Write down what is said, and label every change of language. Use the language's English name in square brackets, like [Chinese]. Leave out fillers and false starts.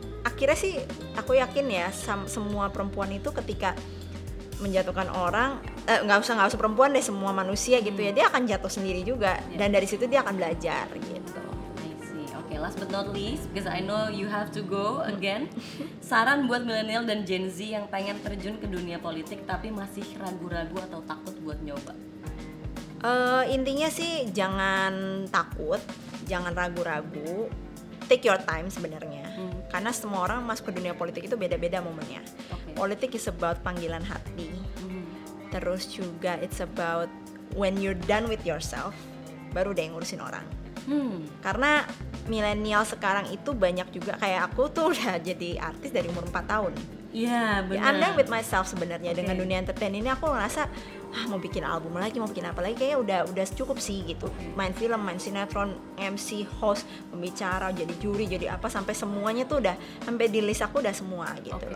[Indonesian] Akhirnya sih aku yakin ya, semua perempuan itu ketika menjatuhkan orang, enggak usah perempuan deh, semua manusia gitu ya, dia akan jatuh sendiri juga dan dari situ dia akan belajar gitu. [English] Last but not least, because I know you have to go again. [Indonesian] Saran buat milenial dan Gen Z yang pengen terjun ke dunia politik tapi masih ragu-ragu atau takut buat nyoba? Intinya sih jangan takut, jangan ragu-ragu. [English] Take your time [Indonesian] sebenarnya. Karena semua orang masuk ke dunia politik itu beda-beda momennya. Okay. Politik [English] is about [Indonesian] panggilan hati. Terus juga [English] it's about when you're done with yourself, [Indonesian] baru deh ngurusin orang. Karena milenial sekarang itu banyak juga, kayak aku tuh udah jadi artis dari umur 4 tahun. Iya, benar. [English] I'm done with myself [Indonesian] sebenarnya dengan dunia entertain ini. Aku ngerasa mau bikin album lagi, mau bikin apa lagi, kayaknya udah cukup sih gitu. Main film, main sinetron, MC, host, pembicara, jadi juri, jadi apa, sampai semuanya tuh udah sampai di list aku udah semua gitu.